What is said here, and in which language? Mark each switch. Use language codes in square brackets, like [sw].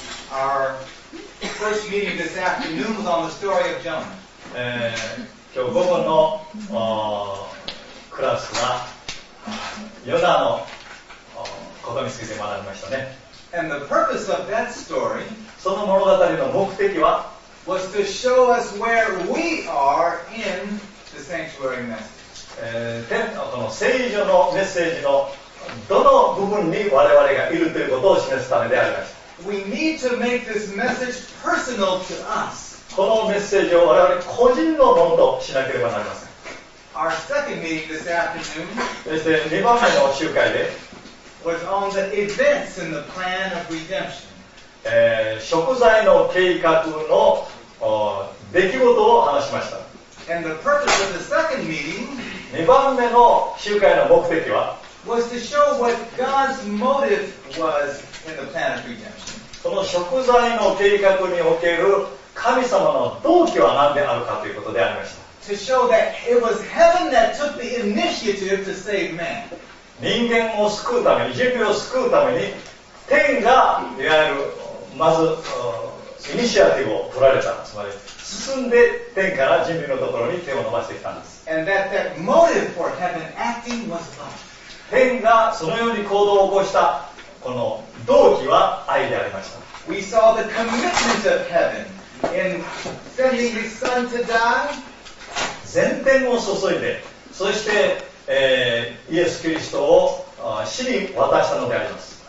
[en] Our first meeting this afternoon was on the story of Jonah. [ja] 今日午後のクラスはヨナのことについて学びましたね。 [en] And the purpose of that story, [ja] その物語の目的は [en] was to show us where we are in the sanctuary message. [ja] この聖所のメッセージのどの部分に我々がいるということを示すためであります。 [en] We need to make this message personal to us. [ja] このメッセージを我々個人のものとしなければなりません。 [en] Our second meeting this afternoon [ja] ですね、2番目の集会で [en] was on the events in the plan of redemption. [ja] 贖罪の計画の出来事を話しました。 [en] And the purpose of the second meeting [ja] 2番目の集会の目的は [en] was to show what God's motive was in the plan of redemption. [ja] その食材の計画における神様の動機は何であるかということでありました。 [en] To show that it was heaven that took the initiative to save man. [ja] 人間を救うために、人類を救うために、天がいわゆるまずイニシアティブを取られた。つまり進んで天から人類のところに手を伸ばしてきたんです。 [en] And that that motive for heaven acting was love. [ja] 天がそのように行動を起こしたこの動機は愛でありました。 [en] We saw the commitment of heaven in sending His Son to die. [ja] 全天を注いで、そして、イエス・キリストを死に渡したのであります。